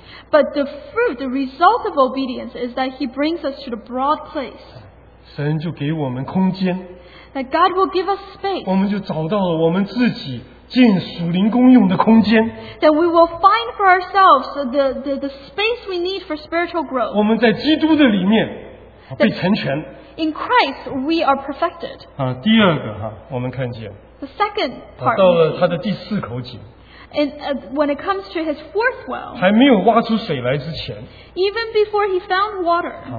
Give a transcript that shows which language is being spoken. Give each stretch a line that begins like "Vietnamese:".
English: but the fruit, the result of obedience is that He brings us to the broad place.
Chinese: 神就给我们空间,
English: that God will give us space.
Chinese: 我们就找到了我们自己进属灵功用的空间,
English: that we will find for ourselves the space we need for spiritual growth.
Chinese: 我们在基督的里面, that 被成全,
English: in Christ we are perfected.
Chinese: 第二个, 我们看见,
English: the second part,
Chinese: 到了他的第四口井,
English: and when it comes to his fourth well,
Chinese: 还没有挖出水来之前,
English: even before he found water,